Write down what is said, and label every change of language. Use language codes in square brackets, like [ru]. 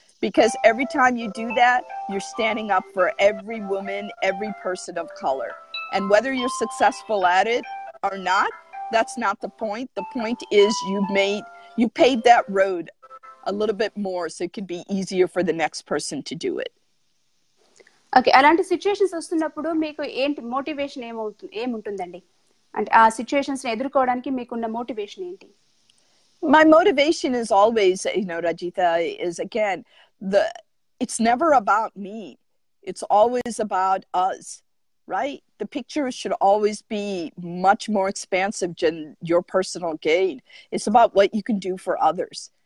[en] Because every time you do that, you're standing up for every woman, every person of color. And whether you're successful at it or not, that's not the point. The point is you paved that road a little bit more so it could be easier for the next person to do it. [te] Okay, అలాంటి situations వస్తున్నప్పుడు మీకు ఏంటి motivation ఏముంటుందండి? అంటే ఆ situations ని ఎదుర్కోవడానికి మీకున్న మోటివేషన్ ఏంటి? [en] My motivation is always, you know, Rajita, is again, it's never about me. It's always about us, right? The picture should always be much more expansive than your personal gain. It's about what you can do for others.